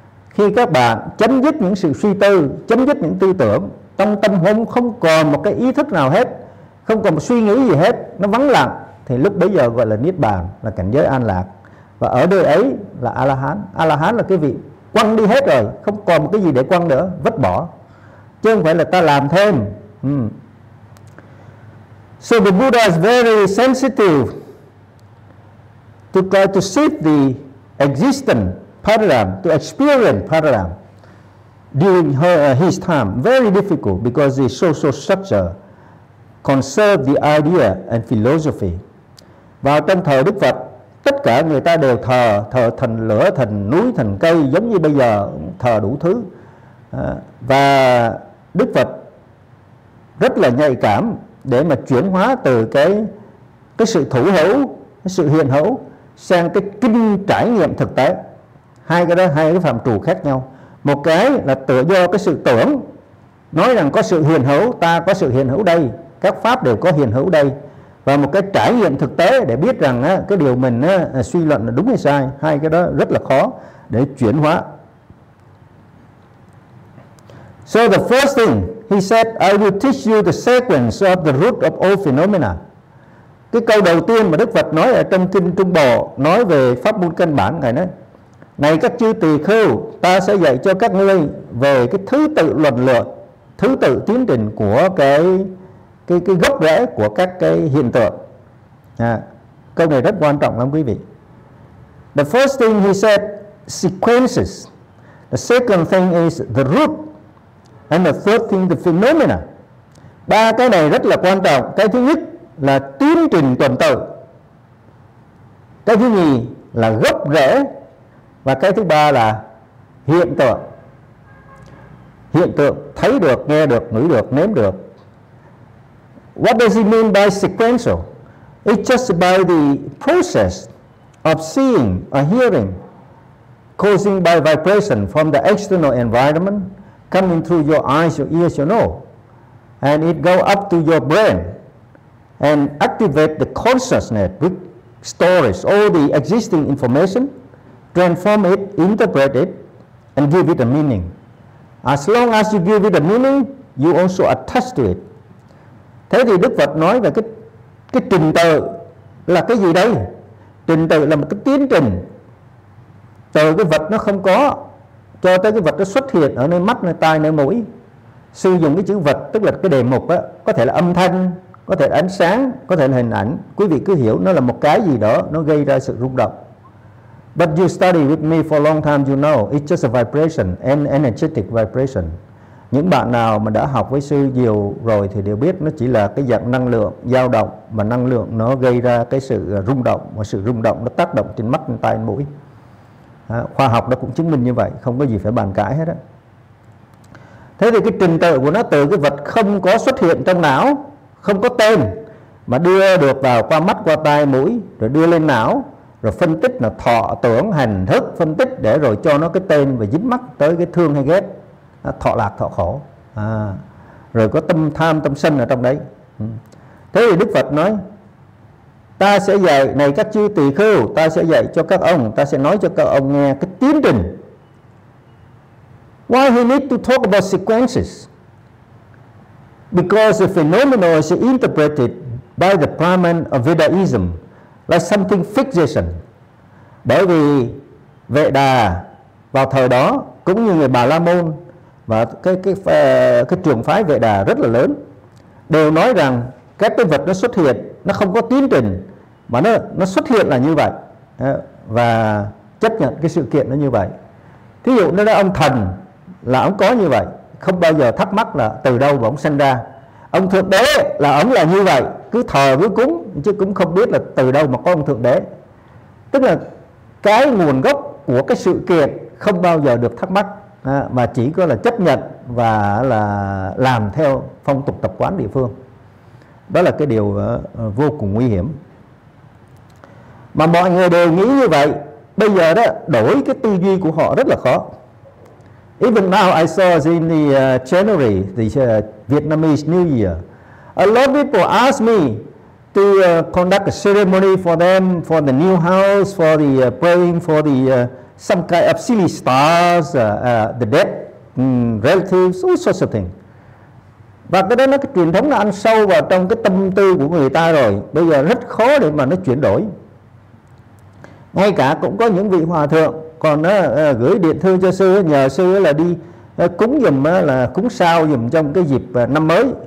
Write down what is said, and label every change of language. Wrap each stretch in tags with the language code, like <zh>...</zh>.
<vi>Khi các bạn chấm dứt những sự suy tư, chấm dứt những tư tưởng, trong tâm hồn không còn một cái ý thức nào hết, không còn một suy nghĩ gì hết, nó vắng lặng, thì lúc bấy giờ gọi là Niết Bàn, là cảnh giới an lạc. Và ở nơi ấy là A-la-hán. A-la-hán là cái vị quăng đi hết rồi, không còn một cái gì để quăng nữa, vứt bỏ. Chứ không phải là ta làm thêm.</vi> <en>So the Buddha is very sensitive to try to see the existent paradigm, to experience paradigm during his time. Very difficult because the social structure conserve the idea and philosophy.</en> <vi>Vào trong thời Đức Phật, tất cả người ta đều thờ thần lửa, thần núi, thần cây, giống như bây giờ thờ đủ thứ. Và Đức Phật rất là nhạy cảm để mà chuyển hóa từ cái sự thủ hữu, cái sự hiện hữu sang cái kinh trải nghiệm thực tế. Hai cái đó, hai cái phạm trù khác nhau. Một cái là tựa do cái sự tưởng, nói rằng có sự hiện hữu, ta có sự hiện hữu đây, các pháp đều có hiện hữu đây. Và một cái trải nghiệm thực tế để biết rằng á, cái điều mình á, suy luận là đúng hay sai. Hai cái đó rất là khó để chuyển hóa.</vi> <en>So the first thing he said, I will teach you the sequence of the root of all phenomena.</en> <vi>Cái câu đầu tiên mà Đức Phật nói ở trong kinh Trung Bộ, nói về pháp môn căn bản, ngài nói: Này các chư tỳ khưu, ta sẽ dạy cho các ngươi về cái thứ tự luận lượt, thứ tự tiến trình của cái gốc rễ của các cái hiện tượng. Câu này rất quan trọng lắm quý vị.</vi> <en>The first thing he said, sequences. The second thing is the root. And the third thing, the phenomena.</en> <vi>Ba cái này rất là quan trọng. Cái thứ nhất là tiến trình tuần tự. Cái thứ nhì là gốc rễ. Và cái thứ ba là hiện tượng. Hiện tượng thấy được, nghe được, ngửi được, nếm được.</vi> <en>What does he mean by sequential? It's just by the process of seeing or hearing, causing by vibration from the external environment, coming through your eyes, your ears, your nose, and it go up to your brain and activate the consciousness with stories, all the existing information, transform it, interpret it, and give it a meaning. As long as you give it a meaning, you also attach to it.</en> <vi>Thế thì Đức Phật nói về cái trình tự là cái gì đây? Trình tự là một cái tiến trình. Từ cái vật nó không có cho tới cái vật nó xuất hiện ở nơi mắt, nơi tai, nơi mũi. Sử dụng cái chữ vật tức là cái đề mục á, có thể là âm thanh, có thể là ánh sáng, có thể là hình ảnh. Quý vị cứ hiểu nó là một cái gì đó, nó gây ra sự rung động.</vi> <en>But you study with me for a long time, you know it's just a vibration, an energetic vibration.</en> <vi>Những bạn nào mà đã học với sư nhiều rồi thì đều biết nó chỉ là cái dạng năng lượng dao động, mà năng lượng nó gây ra cái sự rung động, và sự rung động nó tác động trên mắt, trên tai, trên mũi. Khoa học nó cũng chứng minh như vậy, không có gì phải bàn cãi hết á. Thế thì cái trình tự của nó từ cái vật không có xuất hiện trong não, không có tên, mà đưa được vào qua mắt, qua tai, mũi, rồi đưa lên não, rồi phân tích là thọ, tưởng, hành, thức, phân tích để rồi cho nó cái tên và dính mắc tới cái thương hay ghét, thọ lạc, thọ khổ. Rồi có tâm tham, tâm sân ở trong đấy. Thế thì Đức Phật nói, ta sẽ dạy, này các chư tỳ khưu, ta sẽ dạy cho các ông, ta sẽ nói cho các ông nghe cái tiến trình.</vi> <en>Why he need to talk about sequences? Because the phenomena is interpreted by the Brahman of Vedaism like something fixation.</en> <vi>Bởi vì Vệ Đà vào thời đó cũng như người Bà La Môn và cái trường phái Vệ Đà rất là lớn đều nói rằng các cái vật nó xuất hiện nó không có tiến trình, mà nó xuất hiện là như vậy, và chấp nhận cái sự kiện nó như vậy. Thí dụ nó nói ông thần là ông có như vậy, không bao giờ thắc mắc là từ đâu mà ông sinh ra. Ông thượng đế là ông là như vậy, cứ thờ cứ cúng chứ cũng không biết là từ đâu mà có ông thượng đế. Tức là cái nguồn gốc của cái sự kiện không bao giờ được thắc mắc, mà chỉ có là chấp nhận và là làm theo phong tục tập quán địa phương. Đó là cái điều vô cùng nguy hiểm. Mà mọi người đều nghĩ như vậy, bây giờ đó đổi cái tư duy của họ rất là khó.</vi> <en>Even now I saw in the January, the Vietnamese New Year, a lot of people asked me to conduct a ceremony for them, for the new house, for the praying for the some kind of silly stars, the dead relatives, all sorts of things.</en> <vi>Và cái đó nó cái truyền thống nó ăn sâu vào trong cái tâm tư của người ta rồi. Bây giờ rất khó để mà nó chuyển đổi. Ngay cả cũng có những vị hòa thượng còn gửi điện thư cho sư, nhờ sư là đi cúng giùm, là cúng sao giùm trong cái dịp năm mới.</vi>